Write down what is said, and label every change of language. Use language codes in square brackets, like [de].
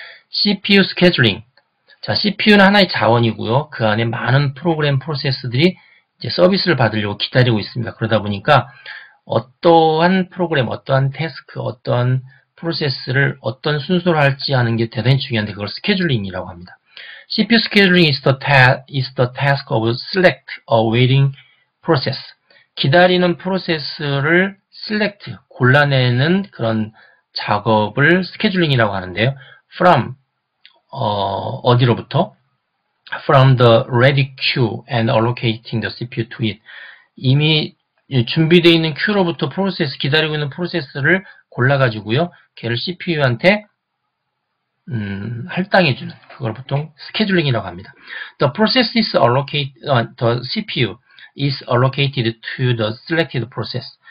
[ko] CPU 스케줄링. 자, CPU는 하나의 자원이고요. 그 안에 많은 프로그램 프로세스들이 이제 서비스를 받으려고 기다리고 있습니다. 그러다 보니까 어떠한 프로그램, 어떠한 태스크, 어떠한 프로세스를 어떤 순서로 할지 하는 게 대단히 중요한데 그걸 스케줄링이라고 합니다. [en] CPU scheduling is the task of select a waiting process. [ko] 기다리는 프로세스를 select, 골라내는 그런 작업을 스케줄링이라고 하는데요. From, 어디로부터? [en] From the ready queue and allocating the CPU to it. [ko] 이미 준비되어 있는 큐로부터 프로세스, 기다리고 있는 프로세스를 골라가지고요. 걔를 CPU한테, 할당해주는, 그걸 보통 스케줄링이라고 합니다. [en] The process is allocated, the CPU is allocated to the selected process.